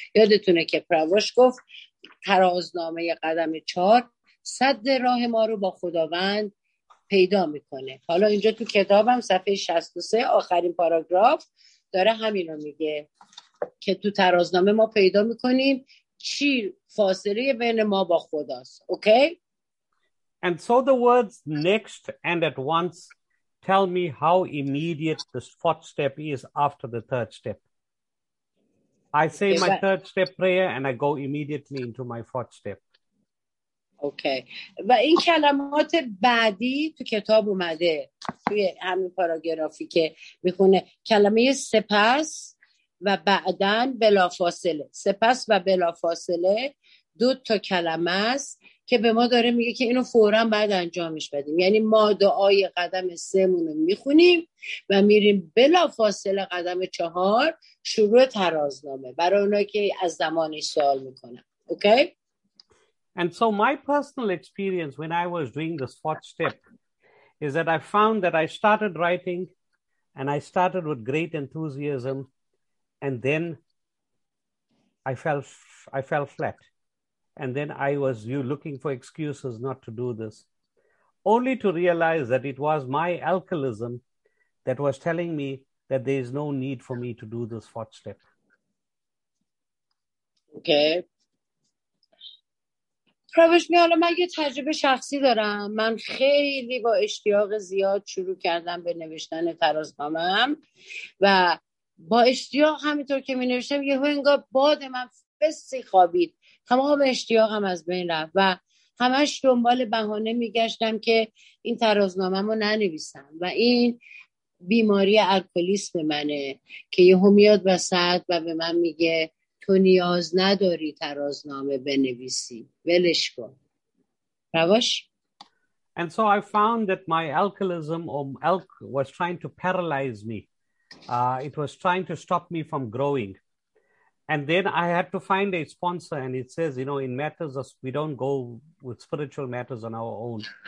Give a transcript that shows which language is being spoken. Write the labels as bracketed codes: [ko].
[fa] یادتونه که پرواش گفت ترازنامه قدم چهار سد راه ما رو با خداوند پیدا می کنه. حالا اینجا تو کتابم صفحه 63 آخرین پاراگراف داره همین رو میگه که تو ترازنامه ما پیدا می کنیم چی فاصله بین ما با خداست. [en] Okay? And so the words next and at once tell me how immediate this fourth step is after the third step. I say my third step prayer and I go immediately into my fourth step. Okay. [fa] و این کلمات بعدی تو کتاب اومده توی همین پاراگرافی که میخونه، کلمه سپس و بعدن بلافاصله. سپس و بلافاصله دو تا کلمه است که به ما داره میگه که اینو فورا بعد انجامش بدیم. یعنی ما دعای قدم سمون رو میخونیم و میریم بلا فاصله قدم چهار شروع ترازنامه برای اونایی که از زمانش سوال میکنن. [en] Okay? And so my personal experience when I was doing this fourth step is that I found that I started writing And I started with great enthusiasm, and then I fell flat. And then I was looking for excuses not to do this, only to realize that it was my alcoholism that was telling me that there is no need for me to do this fourth step. Okay. [fa] روش می حالا من یه تجربه شخصی دارم. من خیلی با اشتیاق زیاد شروع کردم به نوشتن ترازنامه‌ام و با اشتیاق همینطور که می نوشتم یه انگار باد من فسی خوابید، تمام اشتیاقم از بین رفت و همش دنبال بهانه می گشتم که این ترازنامه‌ام رو ننویسم و این بیماری الکلیسم منه که یه همیاد وسط و به من میگه تو نیاز نداری ترازنامه بنویسی، ولش کن. رواش. [en] And so I found that my alcoholism or alk was trying to paralyze me. It was trying to stop me from growing. And then I had to find a sponsor, and it says, you know, in matters of, we don't go with spiritual matters on our own.